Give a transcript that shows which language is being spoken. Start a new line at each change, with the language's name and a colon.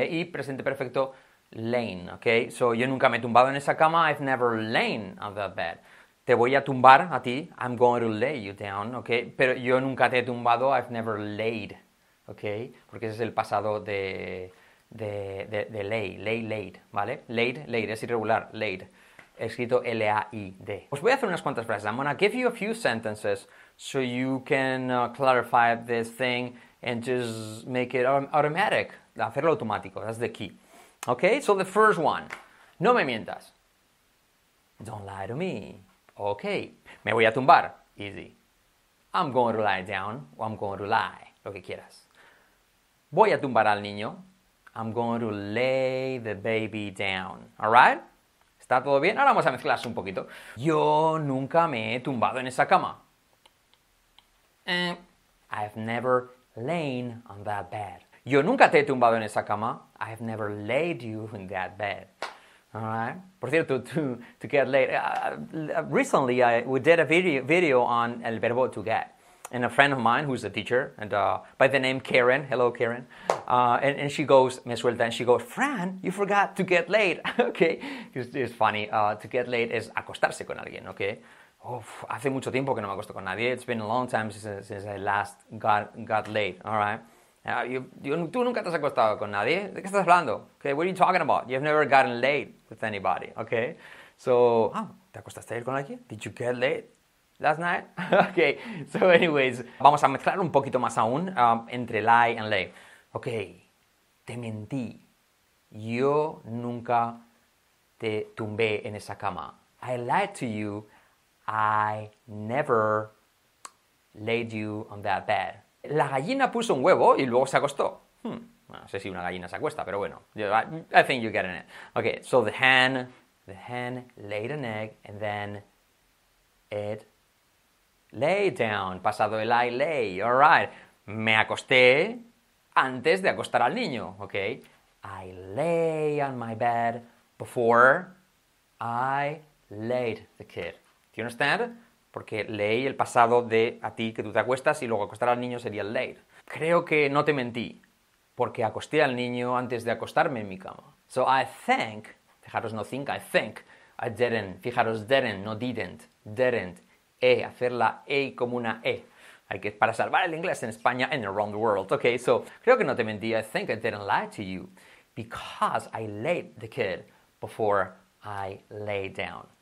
Spanish: Y presente perfecto, lain, ¿ok? So, yo nunca me he tumbado en esa cama,
English: I've never lain on that bed.
Spanish: Te voy a tumbar a ti,
English: I'm going to lay you down,
Spanish: ¿ok? Pero yo nunca te he tumbado,
English: I've never laid,
Spanish: ¿ok? Porque ese es el pasado de lay, lay, laid, ¿vale? Laid, laid, es irregular, laid. Escrito L-A-I-D. Os voy a hacer unas cuantas frases.
English: I'm going to give you a few sentences so you can clarify this thing and just make it automatic.
Spanish: Hacerlo automático,
English: that's the key. ¿Ok? So the first one.
Spanish: No me mientas.
English: Don't lie to me. Ok.
Spanish: Me voy a tumbar.
English: Easy. I'm going to lie down. Or I'm going to lie.
Spanish: Lo que quieras. Voy a tumbar al niño.
English: I'm going to lay the baby down. Alright?
Spanish: ¿Está todo bien? Ahora vamos a mezclarse un poquito. Yo nunca me he tumbado en esa cama.
English: I've never lain on that bed.
Spanish: Yo nunca te he tumbado en esa cama.
English: I've never laid you in that bed. All right.
Spanish: Por cierto,
English: to get laid. Recently, we did a video on el verbo to get. And a friend of mine who's a teacher and by the name Karen. Hello, Karen. And she goes,
Spanish: me suelta,
English: and she goes, Fran, you forgot to get laid. Okay. It's funny. To get laid is
Spanish: acostarse con alguien,
English: okay?
Spanish: Uf, hace mucho tiempo que no me acuesto con nadie.
English: It's been a long time since I last got laid.
Spanish: All right. Tú nunca te has acostado con nadie. ¿De qué estás hablando? Okay,
English: what are you talking about? You've never gotten laid with anybody, okay? So,
Spanish: ¿te acostaste ayer con alguien?
English: Did you get laid last night? Okay, so anyways,
Spanish: vamos a mezclar un poquito más aún entre
English: lie and lay.
Spanish: Okay, te mentí. Yo nunca te tumbé en esa cama.
English: I lied to you. I never laid you on that bed.
Spanish: La gallina puso un huevo y luego se acostó. Bueno, no sé si una gallina se acuesta, pero bueno.
English: I think you're getting it. Okay, so the hen laid an egg and then it lay down.
Spanish: Pasado el I lay.
English: All right.
Spanish: Me acosté antes de acostar al niño.
English: Okay. I lay on my bed before I laid the kid. Do you understand?
Spanish: Porque leí el pasado de a ti que tú te acuestas y luego acostar al niño sería el laid. Creo que no te mentí, porque acosté al niño antes de acostarme en mi cama.
English: So I think, fijaros no think, I think, I didn't, fijaros didn't, no didn't, didn't,
Spanish: hacer la E como una E. Hay que, para salvar el inglés en España
English: and around the world, okay? So
Spanish: creo que no te mentí,
English: I think I didn't lie to you, because I laid the kid before I lay down.